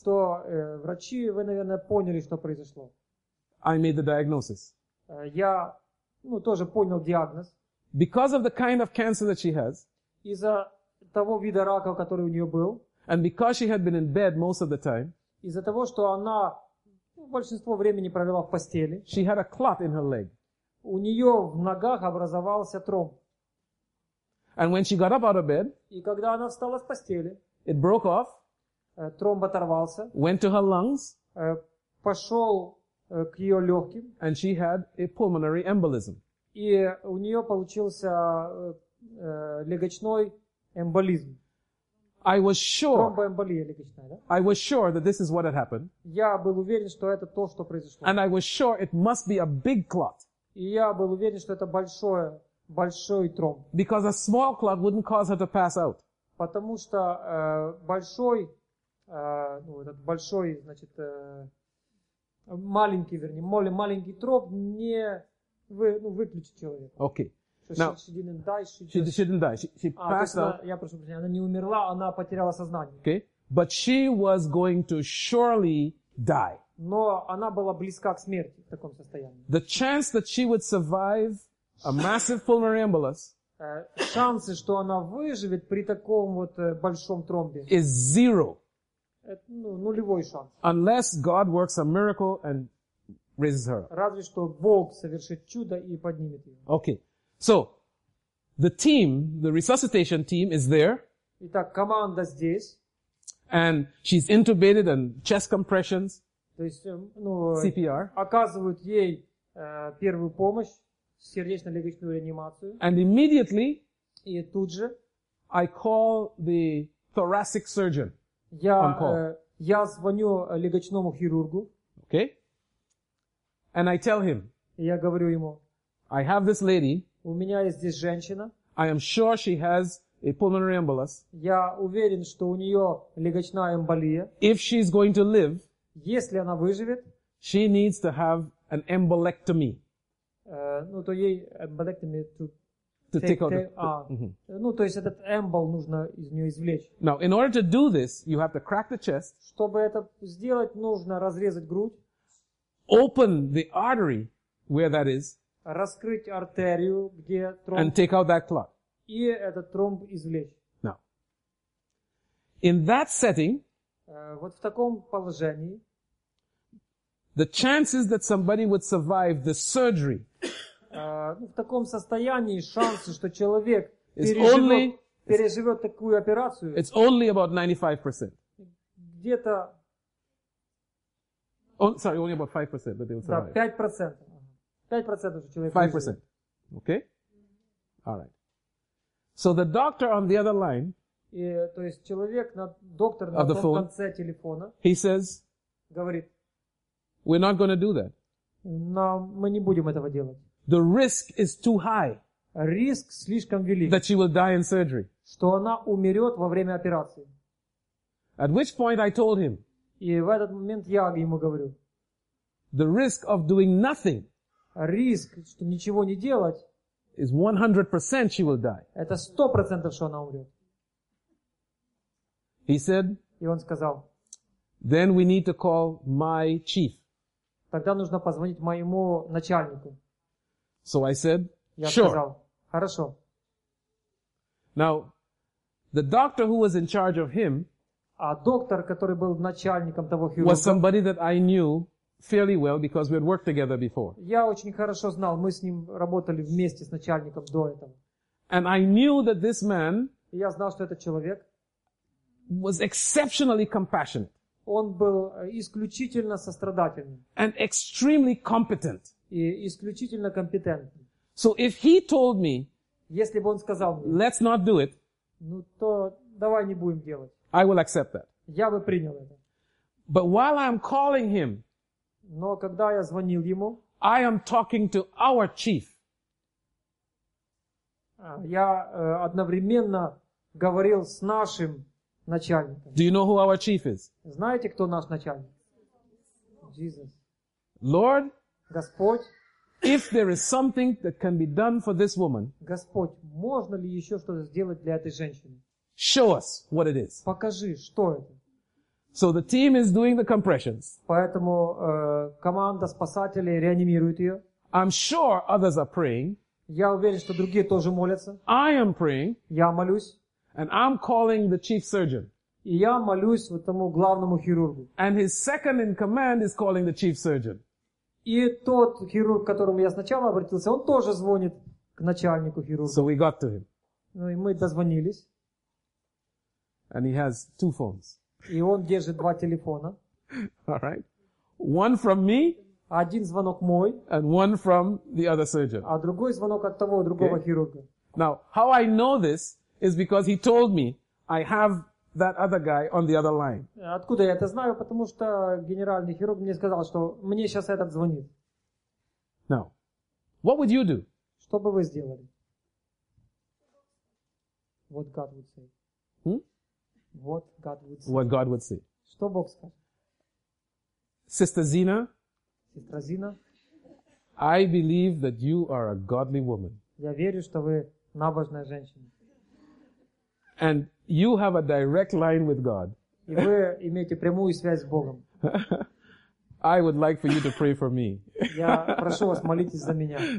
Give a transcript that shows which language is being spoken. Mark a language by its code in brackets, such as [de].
[ru] Кто, врачи, вы, наверное, поняли, что произошло. [en] I made the diagnosis. [ru] Я, ну, тоже понял диагноз. [en] Because of the kind of cancer that she has, [ru] из-за того вида рака, который у нее был, [en] and because she had been in bed most of the time, [ru] из-за того, что она большинство времени провела в постели, [en] she had a clot in her leg. [ru] У нее в ногах образовался тромб. [en] And when she got up out of bed, [ru] и когда она встала с постели, [en] it broke off, [ru] тромб оторвался, [en] went to her lungs, [ru] пошел к ее легким, [en] and she had a pulmonary embolism. [ru] И у нее получился легочной эмболизм. [en] I was sure. [ru] Тромбоэмболия легочная, да? [en] I was sure that this is what had happened. [ru] Я был уверен, что это то, что произошло. [en] And I was sure it must be a big clot. [ru] И я был уверен, что это большой тромб. [en] Because a small clot wouldn't cause her to pass out. [ru] Потому что маленький тромб не выключит человека. [en] Okay. Now, she didn't die. She passed out. [ru] Я прошу прощения, она не умерла, она потеряла сознание. [en] Okay. But she was going to surely die. [ru] Но она была близка к смерти в таком состоянии. [en] The chance that she would survive a massive pulmonary embolus, [ru] шансы, что она выживет при таком вот большом тромбе, [en] is zero. [ru] Это, ну, нулевой шанс. [en] Unless God works a miracle and raises her. [ru] Разве что Бог совершит чудо и поднимет ее. [en] Okay. So, the team, the resuscitation team is there. [ru] Итак, команда здесь. [en] And she's intubated and chest compressions. [ru] То есть, ну, CPR. Оказывают ей первую помощь, сердечно-легочную реанимацию. [en] And immediately, [ru] и тут же, [en] I call the thoracic surgeon. [ru] Я звоню легочному хирургу. [en] Okay. And I tell him. [ru] Я говорю ему. [en] I have this lady. [ru] У меня есть здесь женщина. [en] I am sure she has a pulmonary embolus. [ru] Я уверен, что у нее легочная эмболия. [en] If she is going to live, [ru] если она выживет, [en] she needs to have an embolectomy. [ru] Ну, то ей embolectomy [en] to take out. [ru] Mm-hmm. Ну, то есть этот эмбол нужно из нее извлечь. [en] Now, in order to do this, you have to crack the chest. [ru] Чтобы это сделать, нужно разрезать грудь. [en] Open the artery where that is. [ru] Раскрыть артерию, где тромб. [en] And take out that clot. [ru] И этот тромб извлечь. [en] Now, in that setting, [ru] вот в таком положении, [en] the chances that somebody would survive the surgery, [ru] в таком состоянии шансы, что человек переживет такую операцию, [en] it's only about 95%. [ru] Где-то... [en] Only about 5% that they would survive. [ru] Да, 5%. 5% of человек. [en] 5%. Okay? All right. So the doctor on the other line. [ru] То есть человек на доктор на том конце телефона. [en] He says. [ru] Говорит. [en] We're not going to do that. [ru] Но мы не будем этого делать. [en] The risk is too high. [ru] Риск слишком велик. [en] That she will die in surgery. [ru] Что она умрет во время операции. [en] At which point I told him. [ru] И в этот момент я ему говорю. [en] The risk of doing nothing. [ru] Риск, что ничего не делать, [en] is 100% she will die. [ru] Это 100%, что она умрет. [en] He said, [ru] и он сказал, [en] then we need to call my chief. [ru] Тогда нужно позвонить моему начальнику. [en] So I said, [ru] я [en] sure. [ru] сказал, хорошо. [en] Now, the doctor who was in charge of him, [ru] а доктор, который был начальником того хирурга, [en] was somebody that I knew fairly well, because we had worked together before. [ru] Я очень хорошо знал, мы с ним работали вместе с начальником до этого. [en] And I knew that this man, [ru] я знал, что этот человек, [en] was exceptionally compassionate. [ru] Он был исключительно сострадательным. [en] And extremely competent. [ru] И исключительно компетентным. [en] So if he told me, [ru] Если бы он сказал мне, [en] let's not do it, [ru] ну то давай не будем делать. [en] I will accept that. [ru] Я бы принял это. [en] But while I'm calling him, [ru] но когда я звонил ему, [en] I am talking to our chief. [ru] Я одновременно говорил с нашим начальником. [en] Do you know who our chief is? [ru] Знаете, кто наш начальник? [en] Jesus. Lord, [ru] Господь, [en] if there is something that can be done for this woman, [ru] Господь, можно ли еще что-то сделать для этой женщины? [en] Show us what it is. [ru] Покажи, что это. [en] So the team is doing the compressions. [ru] Поэтому команда спасателей реанимирует ее. [en] I'm sure others are praying. [ru] Я уверен, что другие тоже молятся. [en] I am praying. [ru] Я молюсь. [en] And I'm calling the chief surgeon. [ru] И я молюсь вот тому главному хирургу. [en] And his second in command is calling the chief surgeon. [ru] И тот хирург, к которому я сначала обратился, он тоже звонит к начальнику хирурга. [en] So we got to him. [ru] Ну и мы дозвонились. [en] And he has two phones. [ru] И он держит два телефона. [en] All right. One from me. [ru] Один звонок мой. [en] And one from the other surgeon. [ru] А другой звонок от того другого хирурга. [en] Now, how I know this is because he told me I have that other guy on the other line. [ru] Откуда я это знаю? Потому что генеральный хирург мне сказал, что мне сейчас этот звонит. [en] Now, what would you do? [ru] Что бы вы сделали? [en] What God would say. What God would say. What God would say. [ru] Что Бог скажет? [en] Sister Zina. [ru] Сестра Зина. [en] I believe that you are a godly woman. [ru] Я верю, что вы набожная женщина. [en] And you have a direct line with God. [ru] И вы имеете прямую связь с Богом. [en] I would like for you to pray for me. [ru] Я прошу вас, молитесь за меня.